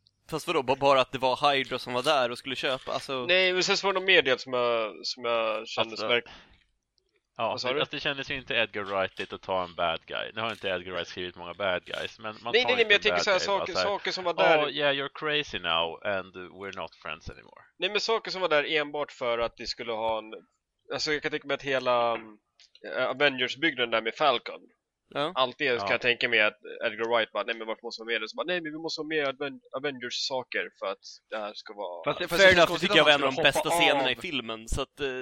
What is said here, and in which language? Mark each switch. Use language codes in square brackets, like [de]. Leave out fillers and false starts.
[sv] Fast vadå? Bara att det var Hydra som var där och skulle köpa? Alltså... Nej, men sen så var det någon medie som jag kände som... Ja, alltså det kändes ju inte Edgar Wright-igt att ta en bad guy. Nu har inte Edgar Wright skrivit många bad guys, men man nej, men jag tänker så här, saker som var där... [en] Oh, yeah, you're crazy now, and we're not friends anymore. [sv] Nej, men saker som var där enbart för att det skulle ha en... Alltså, jag kan tänka mig att hela Avengers-byggnaden där med Falcon. Ja. Allt det kan jag tänka mig att Edgar Wright bara, nej, men varför måste vara med? Och så bara, nej, men vi måste ha med Avengers-saker för att det här ska vara... [en] Fair enough, [sv] det tycker jag var en av de bästa scenerna i filmen, så att...